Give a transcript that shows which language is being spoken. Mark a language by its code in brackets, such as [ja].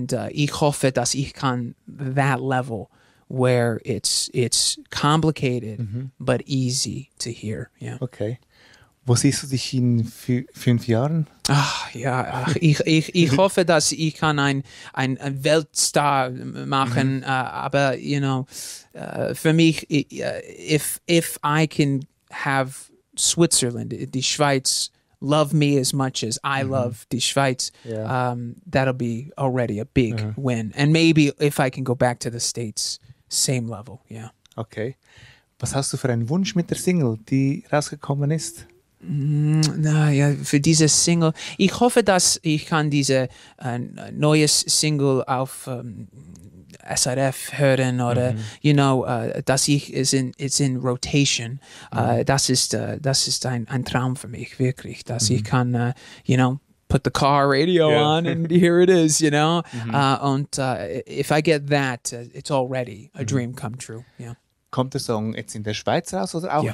[de] Ich hoffe, dass ich kann [en] that level where it's complicated [de] mm-hmm. [en] but easy to hear. Yeah. [de] Okay. Wo siehst du dich in 5 Jahren? Ach ja, ich hoffe, dass ich kann ein Weltstar machen, mhm. Aber [en] you know, [de] für mich, [en] if I can have Switzerland, [de] die Schweiz, [en] love me as much as I mhm. [de] love die Schweiz, [en] yeah. That'll be already a big mhm. win. And maybe if I can go back to the States, same level, yeah. Okay. [de] Was hast du für einen Wunsch mit der Single, die rausgekommen ist? Na ja, für diese Single. Ich hoffe, dass ich kann diese neues Single auf SRF hören oder, mm-hmm. [en] you know, [de] dass ich es in Rotation. Mm-hmm. Das ist ein Traum für mich wirklich, dass mm-hmm. ich kann, [en] you know, put the car radio [de] yeah. [en] on and here it is, you know. Mm-hmm. If I get that, it's already a mm-hmm. dream come true. Yeah. [de] Kommt der Song jetzt in der Schweiz raus oder auch yeah.